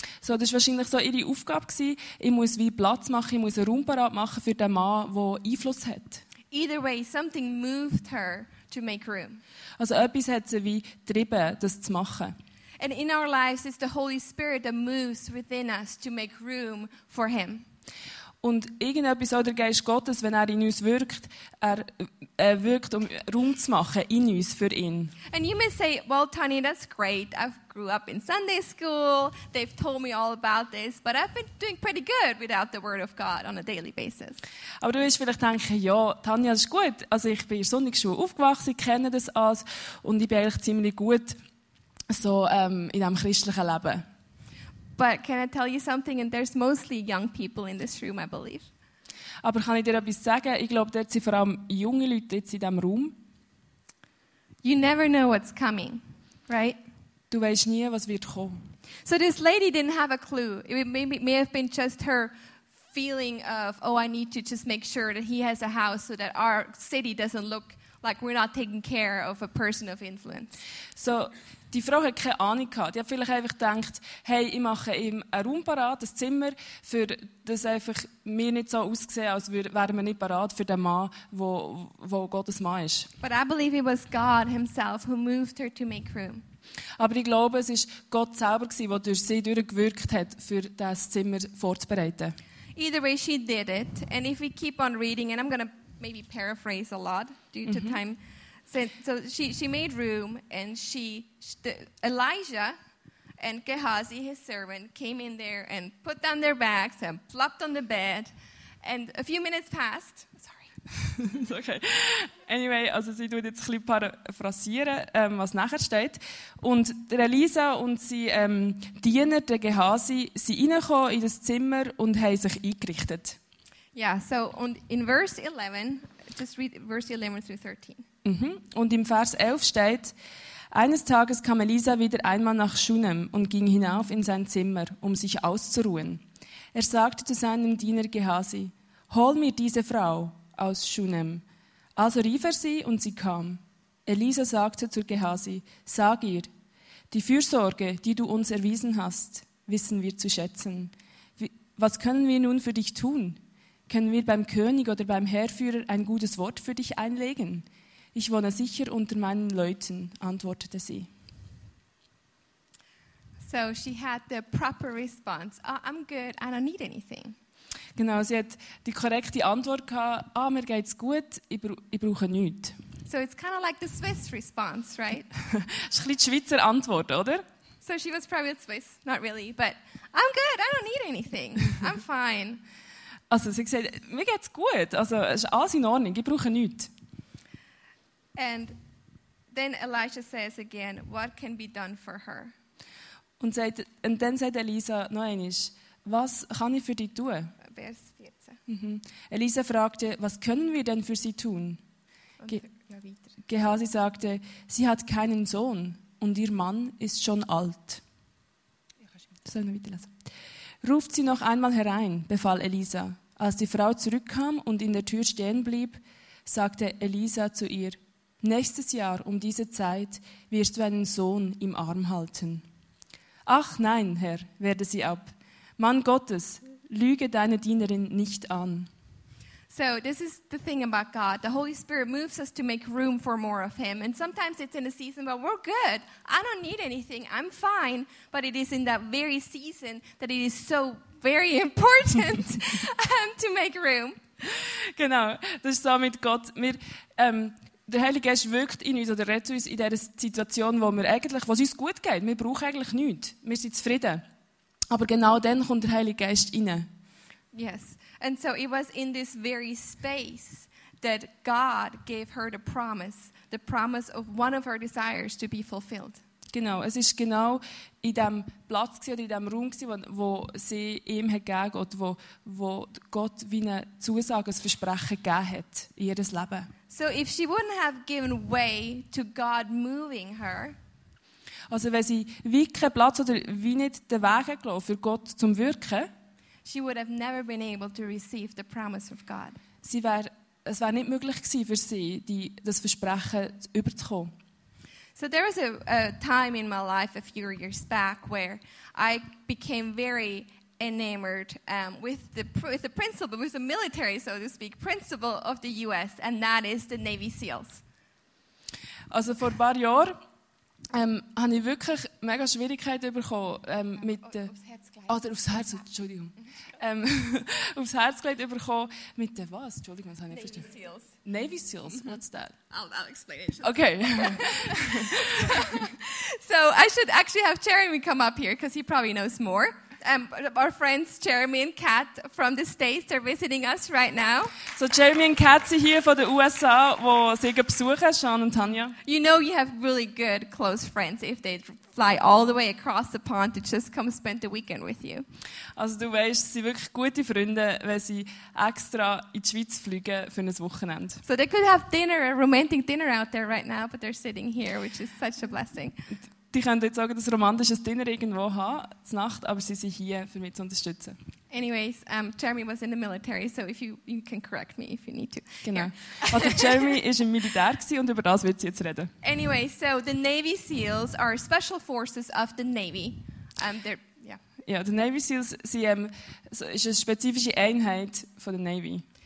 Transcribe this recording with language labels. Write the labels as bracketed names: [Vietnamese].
[German] So, das war wahrscheinlich so ihre Aufgabe gewesen. Ich muss wie Platz machen, ich muss einen Raum parat machen für den Mann, der Einfluss hat. [English] Either way, something moved her to make room. [German] Also etwas hat sie wie getrieben, das zu machen. [English] And in our lives, it's the Holy Spirit that moves within us to make room for him. [German] Und irgendetwas auch der Geist Gottes, wenn er in uns wirkt, er wirkt, um Raum zu machen in uns für ihn. [English] And you may say, well, Tani, that's great. I grew up in Sunday school. They've told me all about this. But I've been doing pretty good without the word of God on a daily basis. [German] Aber du wirst vielleicht denken, ja, Tanja, das ist gut. Also ich bin in der Sonntagsschule aufgewachsen, ich kenne das alles. Und ich bin eigentlich ziemlich gut so, in diesem christlichen Leben. [English] But can I tell you something? And there's mostly young people in this room, I believe. [German] Aber kann ich dir etwas sagen? Ich glaube, dort sind vor allem junge Leute jetzt in diesem Raum. [English] You never know what's coming, right? [German] Du weißt nie, was wird kommen. [English] So this lady didn't have a clue. It may have been just her feeling of, oh, I need to just make sure that he has a house so that our city doesn't look like we're not taking care of a person of influence. [German] So, die Frau hat keine Ahnung gehabt. Die hat vielleicht einfach gedacht, hey, ich mache ihm einen Raum parat, ein Zimmer, für das einfach mir nicht so aussehen, als wären wir nicht parat für den Mann, wo Gottes Mann ist. [English] But I believe it was God himself who moved her to make room. [German] Aber ich glaube, es war Gott selber gewesen, der durch sie durchgewirkt hat, für das Zimmer vorzubereiten. [English] Either way, she did it. And if we keep on reading, and I'm going to maybe paraphrase a lot due to time. So she made room, and Elijah and Gehazi, his servant, came in there and put down their bags and plopped on the bed. And a few minutes passed. Sorry. It's okay. [German] Anyway, also sie tut jetzt ein paraphrasieren, was nachher steht. Und der Elisa und sie Diener, der Gehazi, sie reingekommen in das Zimmer und haben sich eingerichtet. [English] Yeah, so und in verse 11, just read verse 11 through 13. [German] Und im Vers 11 steht, eines Tages kam Elisa wieder einmal nach Schunem und ging hinauf in sein Zimmer, um sich auszuruhen. Er sagte zu seinem Diener Gehazi, hol mir diese Frau aus Schunem. Also rief er sie und sie kam. Elisa sagte zu Gehazi, sag ihr, die Fürsorge, die du uns erwiesen hast, wissen wir zu schätzen. Was können wir nun für dich tun? Können wir beim König oder beim Heerführer ein gutes Wort für dich einlegen? Ich wohne sicher unter meinen Leuten, antwortete sie. [English] So she had the proper response. Oh, I'm good, I don't need anything. [German] Genau, sie hat die korrekte Antwort gehabt. Ah, mir geht's gut, ich brauche nichts. [English] So it's kind of like the Swiss response, right? [German] Das ist ein bisschen die Schweizer Antwort, oder? [English] So she was probably Swiss, not really, but I'm good, I don't need anything. I'm fine. [German] Also sie sagt, mir geht's gut, also es ist alles in Ordnung, ich brauche nichts. [English] And then Elijah says again, what can be done for her? [German] Und dann sagt Elisa noch einmal, was kann ich für dich tun? Vers 14. Elisa fragte, was können wir denn für sie tun? Gehazi sagte, sie hat keinen Sohn und ihr Mann ist schon alt. Soll ich noch weiterlesen? Ruft sie noch einmal herein, befahl Elisa. Als die Frau zurückkam und in der Tür stehen blieb, sagte Elisa zu ihr, nächstes Jahr um diese Zeit wirst du einen Sohn im Arm halten. Ach nein, Herr, wehrte sie ab. Mann Gottes, lüge deine Dienerin nicht an. [English] So, this is the thing about God. The Holy Spirit moves us to make room for more of him. And sometimes it's in a season where we're good. I don't need anything. I'm fine. But it is in that very season that it is so very important to make room. [German] Genau, das ist so mit Gott. Der Heilige Geist wirkt in uns oder rettet uns in dieser Situation, wo es uns gut geht. Wir brauchen eigentlich nichts. Wir sind zufrieden. Aber genau dann kommt der Heilige Geist rein. [English] Yes. And so it was in this very space that God gave her the promise of one of her desires to be fulfilled. [German] Genau, es war genau in dem Platz gewesen, oder in dem Raum, gewesen, wo sie ihm gegeben hat, wo Gott wie eine Zusage, ein Versprechen gegeben hat in ihr Leben. [English] So if she wouldn't have given way to God moving her, [German] also wenn sie wie keinen Platz oder wie nicht den Weg gelassen für Gott zum Wirken, [English] she would have never been able to receive the promise of God. [German] Sie wär, es wäre nicht möglich gewesen für sie, das Versprechen überzukommen. [English] So there was a time in my life a few years back where I became very enamored with the principle, with the military, so to speak, principle of the U.S., and that is the Navy SEALs. [German] Also vor ein paar Jahren habe ich wirklich mega Schwierigkeiten bekommen mit den... aufs Herz gelegt bekommen mit den was? Entschuldigung, was habe ich verstanden? [English] Navy SEALs, mm-hmm. What's that? I'll explain it. Okay. So I should actually have Jeremy come up here because he probably knows more. Our friends Jeremy and Kat from the States, they're visiting us right now. [German] So Jeremy and Kat sind hier von den USA, wo sie besuchen, Sean und Tanja. [English] You know you have really good close friends if they fly all the way across the pond to just come spend the weekend with you. [German] Also du weißt, sie sind wirklich gute Freunde, wenn sie extra in die Schweiz fliegen für ein Wochenende. [English] So they could have dinner, a romantic dinner out there right now, but they're sitting here, which is such a blessing. [German] Die können jetzt sagen, dass romantisches Dinner irgendwo haben, Nacht, aber sie sind hier, für mich zu unterstützen. [English] Anyways, Jeremy was in the military, so if you can correct me if you need to. [German] Genau. Also Jeremy ist im Militär gewesen und über das wird sie jetzt reden. [English] Anyway, so the Navy SEALs are special forces of the Navy. Yeah, [German] the Navy SEALs sind ist eine spezifische Einheit von der Navy.